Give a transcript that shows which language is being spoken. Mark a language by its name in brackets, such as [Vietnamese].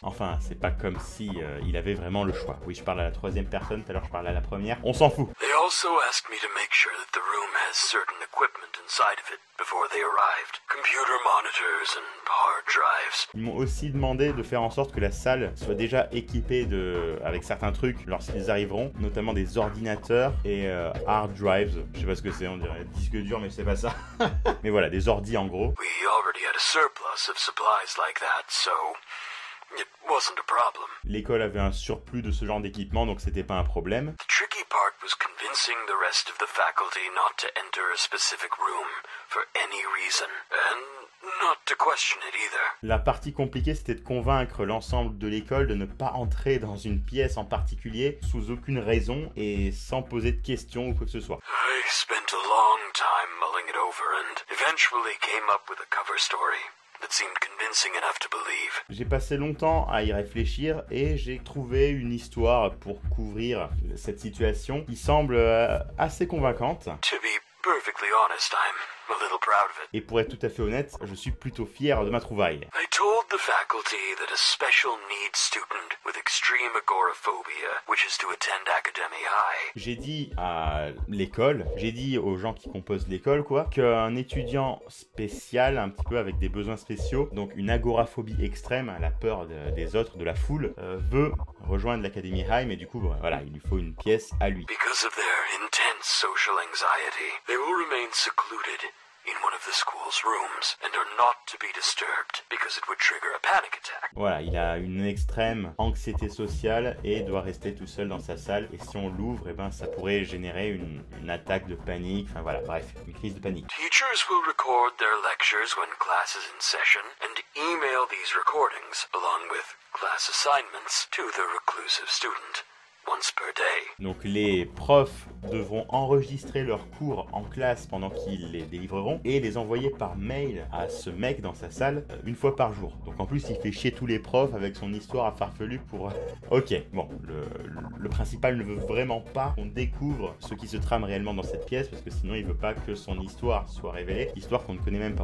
[French] Enfin, c'est pas comme si il avait vraiment le choix. Oui, je parle à la troisième personne, tout à l'heure je parlais à la première. On s'en fout. [English] They also asked me to make sure that the room has certain equipment inside of it before they arrived. Computer monitors and hard drives. [French] Ils m'ont aussi demandé de faire en sorte que la salle soit déjà équipée de avec certains trucs lorsqu'ils arriveront, notamment des ordinateurs et [English] hard drives. [French] Je sais pas ce que c'est, on dirait disque dur, mais c'est pas ça. Mais voilà, des ordis en gros. [English] We already had a surplus of supplies like that, so it wasn't a problem. [French] L'école avait un surplus de ce genre d'équipement, donc c'était pas un problème. [English] The tricky part was convincing the rest of the faculty not to enter a specific room for any reason, and not to question it either. [French] La partie compliquée, c'était de convaincre l'ensemble de l'école de ne pas entrer dans une pièce en particulier sous aucune raison et sans poser de questions ou quoi que ce soit. [English] I spent a long time mulling it over and eventually came up with a cover story. That seemed convincing enough to believe. [French] J'ai passé longtemps à y réfléchir et j'ai trouvé une histoire pour couvrir cette situation qui semble assez convaincante. [English] To be perfectly honest, I'm a little proud of it. [French] Et pour être tout à fait honnête, je suis plutôt fier de ma trouvaille. [English] I told the faculty that a special needs student with extreme agoraphobia wishes to attend Academy High. [French] J'ai dit à l'école, j'ai dit aux gens qui composent l'école, quoi, qu'un étudiant spécial, un petit peu avec des besoins spéciaux, donc une agoraphobie extrême, la peur des autres, de la foule, veut rejoindre l'Academy High, mais du coup, voilà, il lui faut une pièce à lui. [English] Because of their intense social anxiety, they will remain secluded in one of the school's rooms and are not to be disturbed because it would trigger a panic attack. [French] Voilà, il a une extrême anxiété sociale et doit rester tout seul dans sa salle, et si on l'ouvre, eh ben ça pourrait générer une attaque de panique, enfin voilà, bref, une crise de panique. [English] Teachers will record their lectures when class is in session and email these recordings along with class assignments to the reclusive student. Once per day. [French] Donc les profs devront enregistrer leurs cours en classe pendant qu'ils les délivreront et les envoyer par mail à ce mec dans sa salle une fois par jour. Donc en plus il fait chier tous les profs avec son histoire à farfelu pour... Ok, bon, le principal ne veut vraiment pas qu'on découvre ce qui se trame réellement dans cette pièce parce que sinon il veut pas que son histoire soit révélée, histoire qu'on ne connaît même pas.